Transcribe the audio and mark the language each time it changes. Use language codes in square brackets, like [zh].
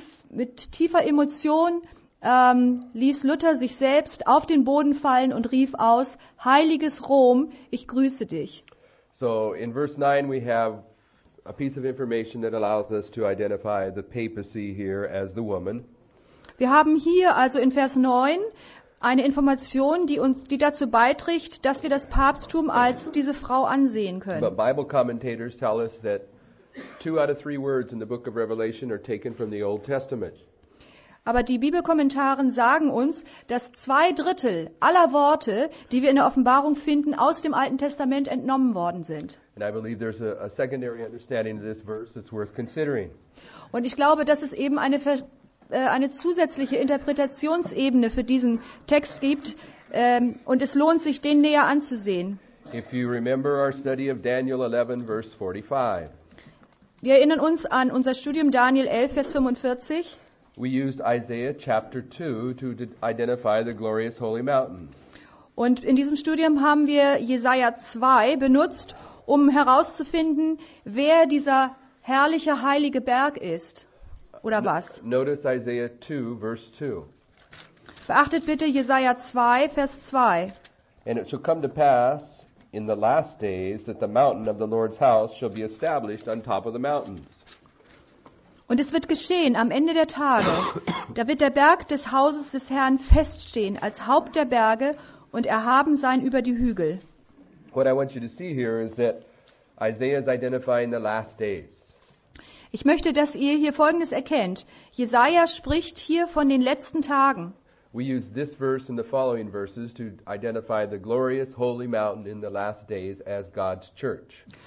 [de] Mit tiefer Emotion ließ Luther sich selbst auf den Boden fallen und rief aus, Heiliges Rom, ich grüße dich. [en] So in verse 9 we have a piece of information that allows us to identify the papacy here as the woman. [de] Wir haben hier also in Vers 9 eine Information, die dazu beiträgt, dass wir das Papsttum als diese Frau ansehen können. [en] But Bible commentators tell us that two out of three words in the book of Revelation are taken from the Old Testament. [de] Aber die Bibelkommentaren sagen uns, dass zwei Drittel aller Worte, die wir in der Offenbarung finden, aus dem Alten Testament entnommen worden sind. [en] And I believe there's a secondary understanding of this verse that's worth considering. [de] Und ich glaube, dass es eben eine zusätzliche Interpretationsebene für diesen Text gibt, und es lohnt sich, den näher anzusehen. [en] If you remember our study of Daniel 11, verse 45. [de] Wir erinnern uns an unser Studium Daniel 11, Vers 45. [en] We used Isaiah chapter 2 to identify the glorious holy mountain. [de] Und in diesem Studium haben wir Jesaja 2 benutzt, um herauszufinden, wer dieser herrliche heilige Berg ist oder was. [en] Notice Isaiah 2 verse 2. [de] Beachtet bitte Jesaja 2 Vers 2. [en] And it shall come to pass in the last days that the mountain of the Lord's house shall be established on top of the mountains. [de] Und es wird geschehen am Ende der Tage, da wird der Berg des Hauses des Herrn feststehen als Haupt der Berge und erhaben sein über die Hügel. [en] What I want you to see here is that Isaiah is identifying the last days. [de] Ich möchte, dass ihr hier Folgendes erkennt. Jesaja spricht hier von den letzten Tagen. [en] We use this verse and the following verses to identify the glorious holy mountain in the last days as God's church.